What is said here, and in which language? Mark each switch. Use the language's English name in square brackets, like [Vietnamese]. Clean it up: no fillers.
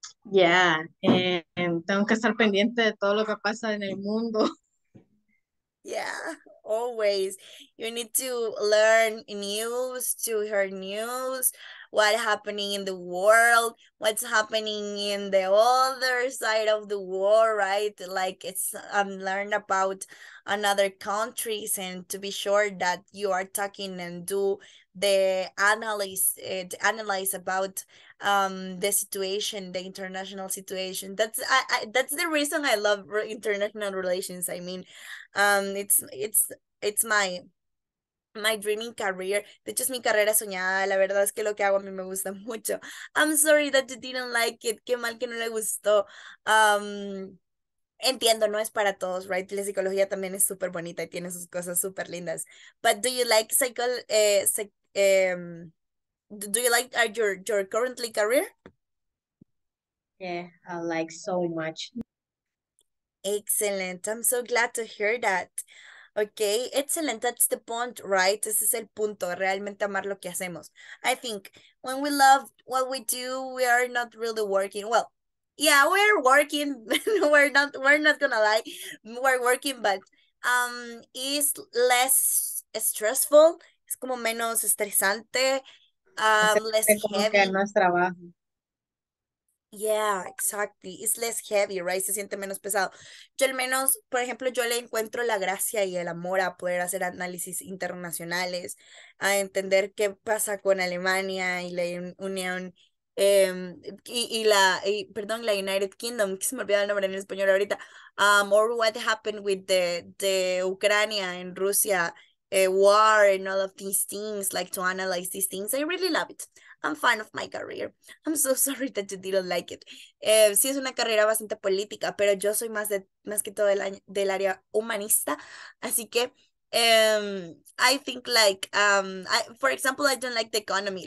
[English] Yeah, [Spanish] tengo que estar pendiente de todo lo que pasa en el mundo. [English] Yeah, always. You need to learn news, to hear news, what's happening in the world, what's happening in the other side of the world, right? Like it's learn about another countries and to be sure that you are talking and do the analyze about the situation, the international situation. That's that's the reason I love international relations. I mean, it's my dreaming career. [Spanish] De hecho, es mi carrera soñada. La verdad es que lo que hago a mí me gusta mucho. [English] I'm sorry that you didn't like it. [Spanish] Qué mal que no le gustó. Entiendo, no es para todos, [English] right? [Spanish] La psicología también es súper bonita y tiene sus cosas súper lindas. [English] But do you like do you like your currently career? Yeah, I like so much. Excellent. I'm so glad to hear that. Okay, excellent. That's the point, right? [Spanish] Ese es el punto, realmente amar lo que hacemos. [English] I think when we love what we do, we are not really working. Well, yeah, we're working. we're not gonna lie. We're working, but it's less stressful. [Spanish] Es como menos estresante. [English] Less [Spanish] como que [English] heavy. [Spanish] no es trabajo. [English] Yeah, exactly. It's less heavy, right? [Spanish] Se siente menos pesado. Yo al menos, por ejemplo, yo le encuentro la gracia y el amor a poder hacer análisis internacionales, a entender qué pasa con Alemania y la Unión, perdón, la United Kingdom, que se me olvidó el nombre en español ahorita, [English] or what happened with the Ucrania and Russia, war and all of these things, like to analyze these things. I really love it. I'm fine of my career. I'm so sorry that you didn't like it. [Spanish] Sí, es una carrera bastante política, pero yo soy más que todo del área humanista. Así que, [English] I think like, for example, I don't like the economy.